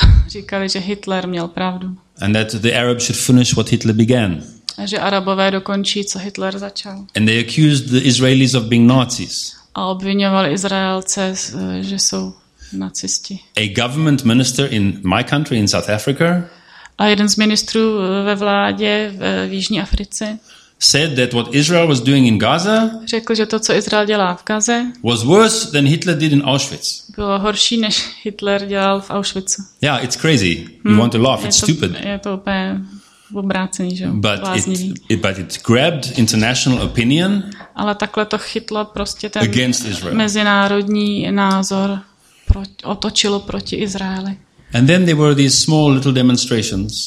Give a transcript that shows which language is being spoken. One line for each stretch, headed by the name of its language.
Czech: Říkali, že Hitler měl pravdu.
English: And that the Arabs should finish what Hitler began.
Czech: A že Arabové dokončí, co Hitler začal.
English: And they accused the Israelis of being Nazis.
Czech: A obvinovali Izraelce, že jsou nacisti.
English: A government minister in my country, in South Africa.
Czech: A jeden z ministrů ve vládě v Jižní Africe.
English: Said that what Israel was doing in Gaza.
Czech: Řekl, že to, co Izrael dělá v Gaze.
English: Was worse than Hitler did in Auschwitz.
Czech: Bylo horší, než Hitler dělal v Auschwitzu.
English: Yeah, it's crazy. You want to laugh? It's stupid.
Czech: Je to úplně v obrácení, že?
English: But it grabbed international opinion.
Czech: Ale takhle to chytlo prostě ten mezinárodní názor, otočilo proti Izraeli.
English: And then there were these small little demonstrations.